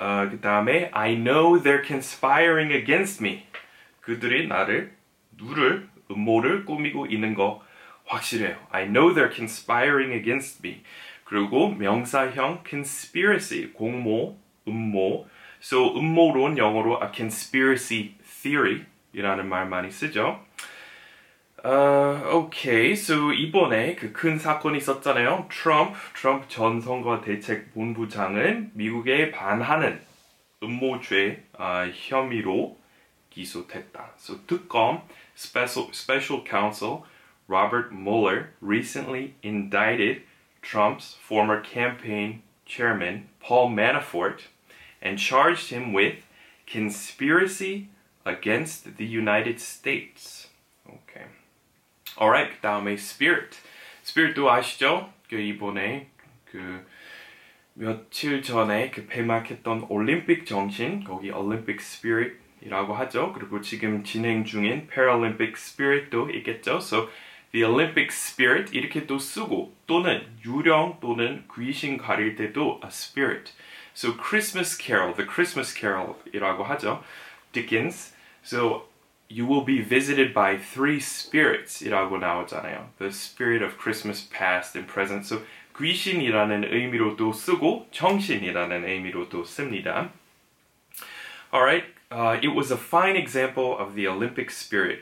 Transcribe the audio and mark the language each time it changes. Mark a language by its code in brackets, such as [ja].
[ko] 그 다음에 [en] I know they're conspiring against me. [ko] 그들이 나를 누를 음모를 꾸미고 있는 거 확실해요. [en] I know they're conspiring against me. [ko] 그리고 명사형 [en] conspiracy, [ko] 공모, 음모. So 음모론 영어로 [en] a conspiracy theory [ko] 이라는 말 많이 쓰죠. [en] Okay, so [ko] 이번에 그 큰 사건이 있었잖아요. 트럼프 전 선거 대책 본부장은 미국에 반하는 음모죄 혐의로 기소됐다. [en] So [ko] 특검 [en] Special Counsel Robert Mueller recently indicted Trump's former campaign chairman Paul Manafort and charged him with conspiracy against the United States. Okay. Alright, [ko] 그 다음에 [en] Spirit. Spirit도 [ko] 아시죠? 그 이번에 그 며칠 전에 그 폐막했던 올림픽 정신, 거기 올림픽 스피릿 이라고 하죠. 그리고 지금 진행 중인 Paralympic Spirit도 있겠죠. So, [en] the Olympic Spirit [ko] 이렇게도 쓰고 또는 유령 또는 귀신 가릴 때도 [en] a spirit. So, Christmas Carol, the Christmas Carol [ko] 이라고 하죠. [en] Dickens. So, you will be visited by three spirits [ko] 이라고 나오잖아요. [en] The spirit of Christmas past and present. [ko] So, 귀신이라는 의미로도 쓰고 정신이라는 의미로도 씁니다. [en] Alright. It was a fine example of the Olympic spirit.